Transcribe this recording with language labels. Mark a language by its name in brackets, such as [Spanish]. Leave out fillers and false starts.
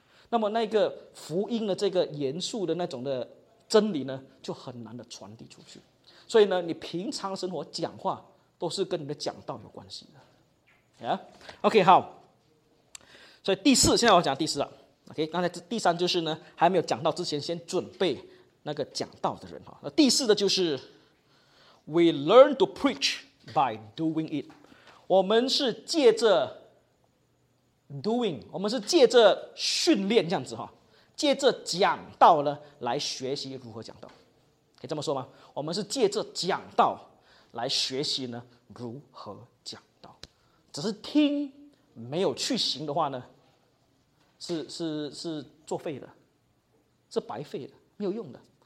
[Chinese] 那么那个福音的这个严肃的那种的真理呢就很难的传递出去。所以呢你平常生活讲话都是跟你的讲道有关系的。 [English] Yeah? OK, [Chinese] 好。所以第四，现在我讲第四了。OK, 刚才第三就是呢还没有讲道之前先准备那个讲道的人。那第四的就是 [English] We learn to preach by doing it。 [Chinese] 我们是借着 doing, 我们是借着训练这样子。借着讲道呢来学习如何讲道，可以这么说吗？我们是借着讲道来学习呢如何讲道，只是听没有去行的话呢是作废的，是白费的，没有用的。